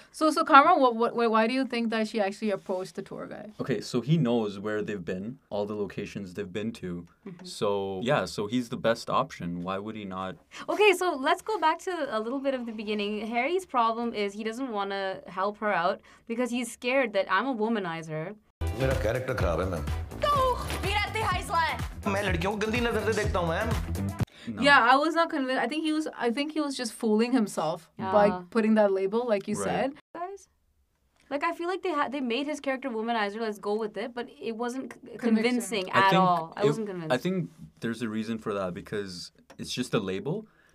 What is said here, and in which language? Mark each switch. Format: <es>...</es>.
<en>So Karma, why do you think that she actually approached the tour guide? Okay, so he knows where they've been, all the locations they've been to. Mm-hmm. So he's the best option. Why would he not? Okay, so let's go back to a little bit of the beginning. Harry's problem is he doesn't want to help her out because he's scared that I'm a womanizer.</en> <hi>मेरा character खराब है ma'am मेरा तिहाई सला है मैं लड़कियों को गंदी नजर से देखता हूं ma'am</hi> <en>No. Yeah, I was not convinced. I think he was just fooling himself by putting that label, like you said. Guys, like, I feel like they made his character womanizer, let's go with it, but it wasn't convincing at all. I wasn't convinced. I think there's a reason for that, because it's just a label.</en>